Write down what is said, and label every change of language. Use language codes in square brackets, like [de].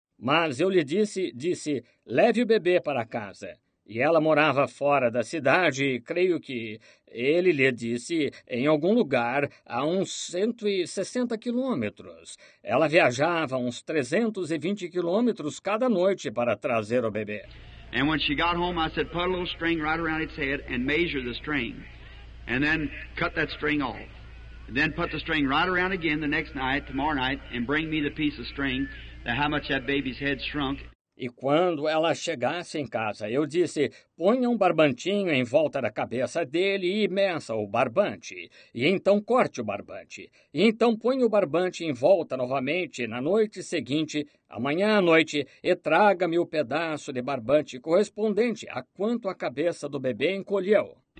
[pt] Mas eu lhe disse, leve o bebê para casa. E ela morava fora da cidade, e creio que ele lhe disse, em algum lugar, a uns 160 quilômetros. Ela viajava uns 320 quilômetros cada noite para trazer o bebê. [en] And when she got home, I said, put a little string right around its head and measure the string. And then cut that string off. And then put the string right around again the next night, tomorrow night, and bring me the piece of string to how much that baby's head shrunk. [pt] E quando ela chegasse em casa, eu disse, ponha um barbantinho em volta da cabeça dele e meça o barbante. E então corte o barbante. E então ponha o barbante em volta novamente na noite seguinte, amanhã à noite, e traga-me o pedaço de barbante correspondente a quanto a cabeça do bebê encolheu.